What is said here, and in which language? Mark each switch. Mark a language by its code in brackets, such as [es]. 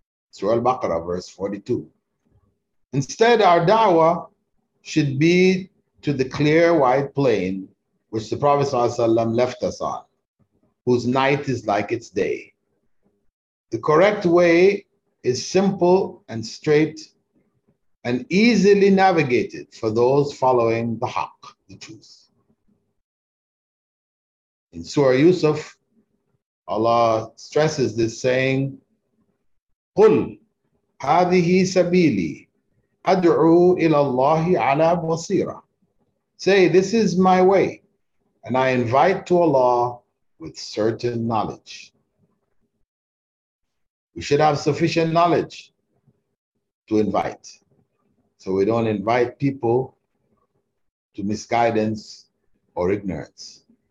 [en] Surah Al-Baqarah, verse 42. Instead, our da'wah should be to the clear white plain which the Prophet ﷺ left us on, whose night is like its day. The correct way is simple and straight and easily navigated for those following the haqq, the truth. In Surah Yusuf, Allah stresses this saying, [ar] قُلْ هَذِهِ سَبِيلِي أَدْعُوا إِلَى اللَّهِ عَلَى بَصِيرًا. [en] Say, this is my way, and I invite to Allah with certain knowledge. We should have sufficient knowledge to invite, so we don't invite people to misguidance or ignorance.